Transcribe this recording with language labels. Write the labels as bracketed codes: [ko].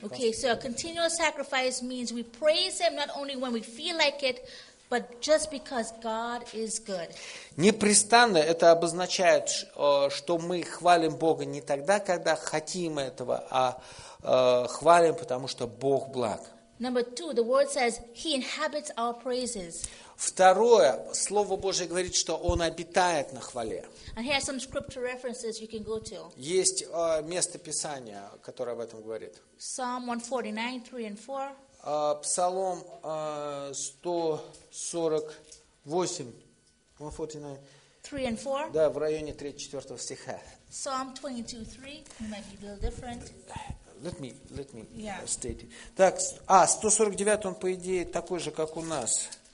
[en] Okay, so a continual sacrifice means we praise Him not only when we feel like it, but just because God is good. [ru] Непрестанно это обозначает, что мы хвалим Бога не тогда, когда хотим этого, а хвалим, потому что Бог благ. [en] Number two, the word says He inhabits our praises. [ru] Второе, Слово Божие говорит, что Он обитает на хвале. [en] And here are some scripture references you can go to. [ru] Есть место Писания, которое об этом говорит. [en] Psalm 149:3-4. [ru] Псалом 148, 149, да, в районе 3-4 стиха. [en] Psalm 22:3, might be a little different. Let me yeah. State it. [ru] Так, 149, он, по идее, такой же, как у нас.